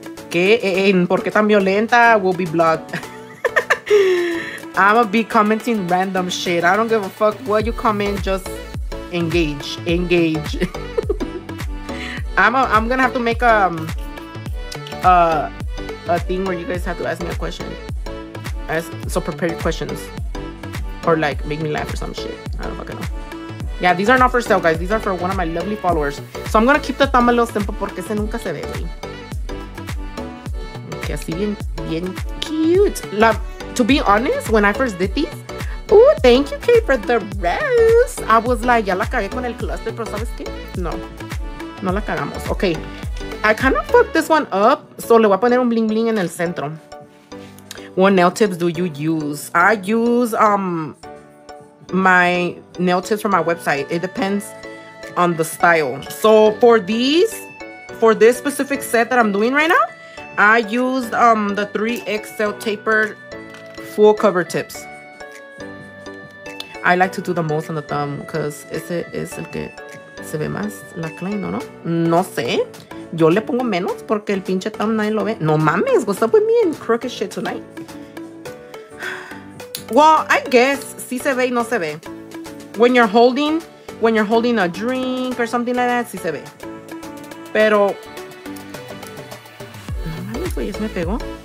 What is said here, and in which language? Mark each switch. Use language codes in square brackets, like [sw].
[es] ¿Qué? ¿Por qué tan violenta? [en] We'll be blocked. I'ma be commenting random shit. I don't give a fuck what you comment, just engage. Engage. I'm gonna have to make a thing where you guys have to ask me a question. So prepare your questions. Or like make me laugh or some shit. I don't fucking know. Yeah, these are not for sale, guys. These are for one of my lovely followers. So I'm gonna keep the thumb a little simple [es] porque se nunca se ve. [en] Okay, [es] así bien, bien cute. [en] Love. To be honest, when I first did these, oh, thank you, Kate, for the rest. I was like, [es] ya la cagué con el cluster, pero ¿sabes qué? No. No la cagamos. Okay. [en] I kind of fucked this one up, so [es] le voy a poner un bling bling en el centro. [en] What nail tips do you use? I use my nail tips from my website. It depends on the style. So for these, for this specific set that I'm doing right now, I used the 3XL tapered full cover tips. I like to do the most on the thumb because [es] ese es el que se ve más la clean, ¿no? No sé. Yo le pongo menos porque el pinche thumb nadie lo ve. No mames, [en] what's up with me and crooked shit tonight? Well, I guess [es] si se ve y no se ve. [en] When you're holding a drink or something like that, [es] si se ve. Pero no mames, güey, se me pegó.